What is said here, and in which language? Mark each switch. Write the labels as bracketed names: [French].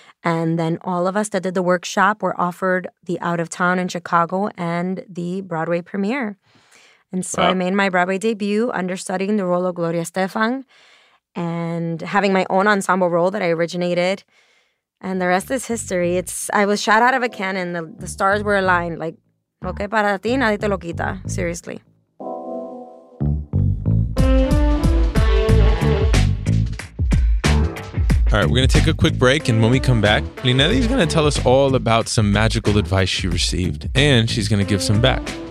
[English] And then all of us that did the workshop were offered the Out of Town in Chicago and the Broadway premiere. And so wow. I made my Broadway debut understudying the role of Gloria Estefan and having my own ensemble role that I originated. And the rest is history. I was shot out of a cannon. The stars were aligned. [Spanish] Like, lo que para ti, nadie te lo quita. [English] Seriously. All right, we're going to take a quick break, and when we come back, Linedy is going to tell us all about some magical advice she received, and she's going to give some back.